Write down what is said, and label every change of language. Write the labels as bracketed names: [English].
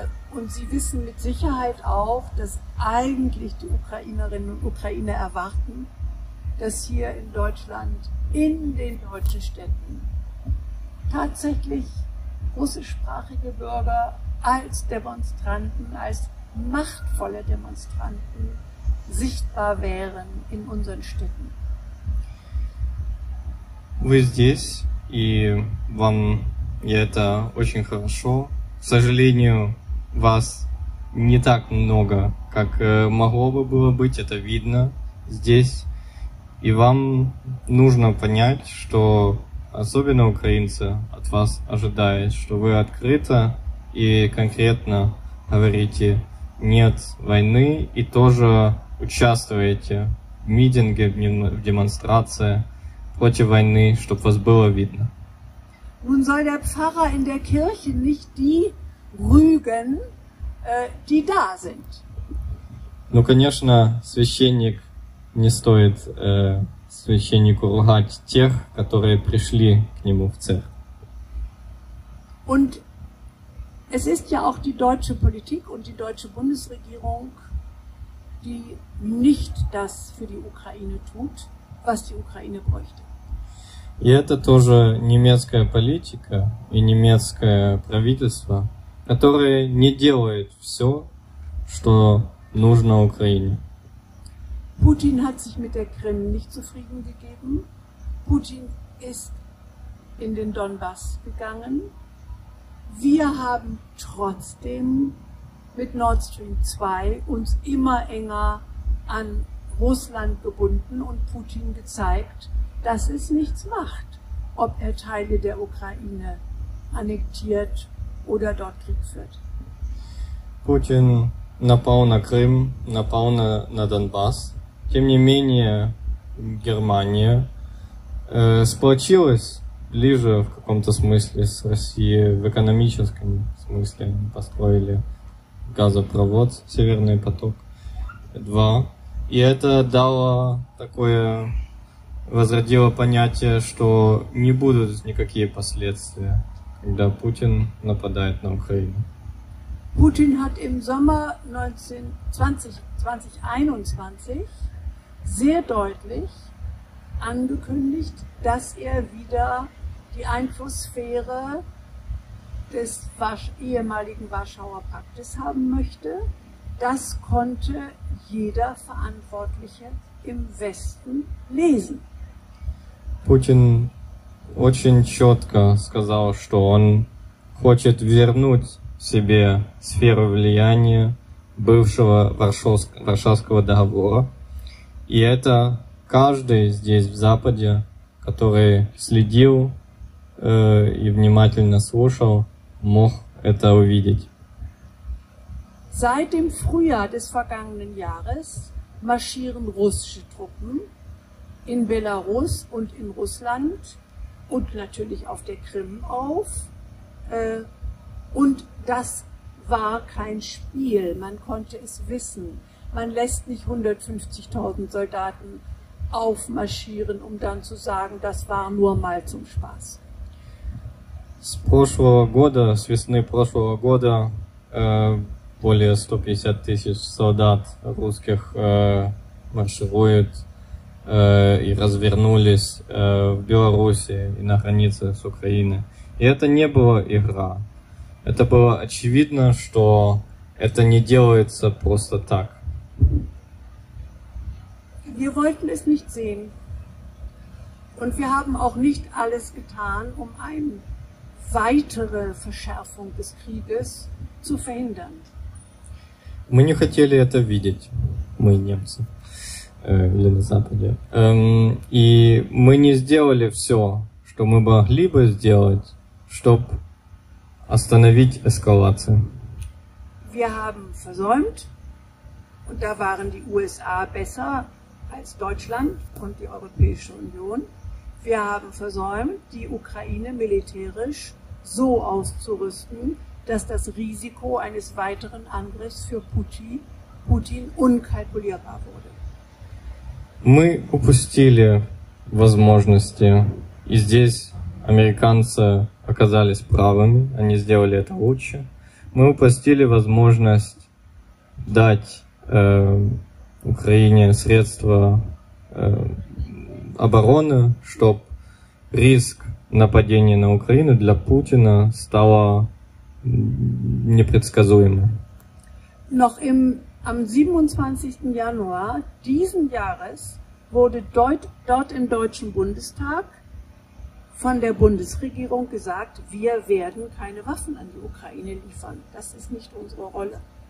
[German] Und sie wissen mit Sicherheit auch, dass eigentlich die Ukrainerinnen und Ukrainer erwarten, dass hier in Deutschland, in den deutschen Städten, tatsächlich russischsprachige Bürger als Demonstranten, als machtvolle Demonstranten sichtbar wären in unseren Städten. [Russian] Вы здесь, и вам я это очень хорошо. К сожалению, вас не так много, как могло бы было быть, это видно здесь. И вам нужно понять, что особенно украинцы от вас ожидают, что вы открыто и конкретно говорите «нет войны» и тоже участвуете в митинге, в демонстрации против войны, чтобы вас было видно. [German] Nun soll der Pfarrer in der Kirche nicht die rügen, die da sind. [Russian] Ну, конечно, священник не стоит священнику ругать тех, которые пришли к нему в церковь. [German] Und es ist ja auch die deutsche Politik und die deutsche Bundesregierung, die nicht das für die Ukraine tut, was die Ukraine bräuchte. [Russian] И это тоже немецкая политика и немецкое правительство, которое не делает все, что нужно Украине. [German] Putin hat sich mit der Krim nicht zufrieden gegeben. Putin ist in den Donbass gegangen. Wir haben trotzdem mit Nord Stream 2 uns immer enger an Russland gebunden und Putin gezeigt, dass es nichts macht, ob er Teile der Ukraine annektiert oder dort Krieg führt. [Russian] Putin напал на Крым, напал на Донбасс. Тем не менее, Германия сплотилась ближе в каком-то смысле с Россией, в экономическом смысле построили газопровод «Северный поток-2». И это дало такое, возродило понятие, что не будут никакие последствия, когда Путин нападает на Украину. [German] Путин hat im Sommer 2021 sehr deutlich angekündigt, dass er wieder die Einflusssphäre des ehemaligen Warschauer Paktes haben möchte. Das konnte jeder Verantwortliche im Westen lesen. [Russian] Putin очень четко сказал, что он хочет вернуть себе сферу влияния бывшего Варшавского договора. И это каждый здесь в Западе, который следил и внимательно слушал, мог это увидеть. [German] Seit dem Frühjahr des vergangenen Jahres marschieren russische Truppen in Belarus und in Russland und natürlich auf der Krim auf. Und das war kein Spiel, man konnte es wissen. Man lässt nicht 150.000 Soldaten aufmarschieren, um dann zu sagen, das war nur mal zum Spaß. [Russian] С прошлого года, с весны прошлого года, более 150 тысяч солдат русских маршируют и развернулись в Белоруссии и на границе с Украиной. И это не была игра. Это было очевидно, что это не делается просто так. [German] Wir wollten es nicht sehen. Und wir haben auch nicht alles getan, um eine weitere Verschärfung des Krieges zu verhindern. [Russian] Мы не хотели это видеть, мы немцы, или на Западе. И мы не сделали все, что мы могли бы сделать, чтобы остановить эскалацию. [German] Wir haben versäumt, und da waren die USA besser als Deutschland und die Europäische Union. Wir haben versäumt, die Ukraine militärisch so auszurüsten, dass das Risiko eines weiteren Angriffs für Putin unkalkulierbar wurde. [Russian] Мы упустили возможности, и здесь американцы оказались правыми, они сделали это лучше. Мы упустили возможность дать Украине средства обороны, чтобы риск нападения на Украину для Путина стало непредсказуемым. [German] Noch im, am 27. Januar diesen Jahres wurde dort im Deutschen Bundestag von der Bundesregierung gesagt, wir werden keine Waffen an die Ukraine liefern. Das ist nicht unsere Rolle.